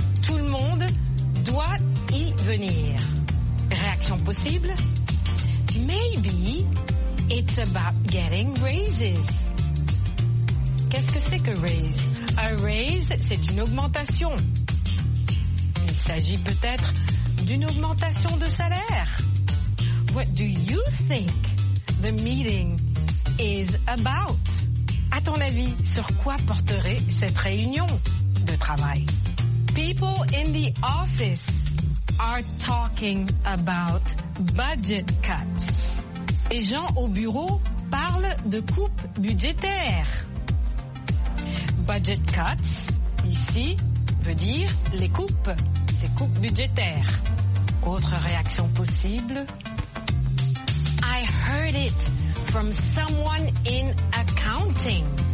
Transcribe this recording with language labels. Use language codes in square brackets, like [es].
[fr] Tout le monde doit y venir. Réaction possible? [en] Maybe it's about getting raises. [fr] Qu'est-ce que c'est que raise? A raise, c'est une augmentation. Il s'agit peut-être d'une augmentation de salaire. [en] What do you think the meeting is about? [fr] À ton avis, sur quoi porterait cette réunion de travail? [en] People in the office are talking about budget cuts. [fr] Les gens au bureau parlent de coupes budgétaires. Budget cuts, ici, veut dire les coupes budgétaires. Autre réaction possible? [en] I heard it from someone in accounting.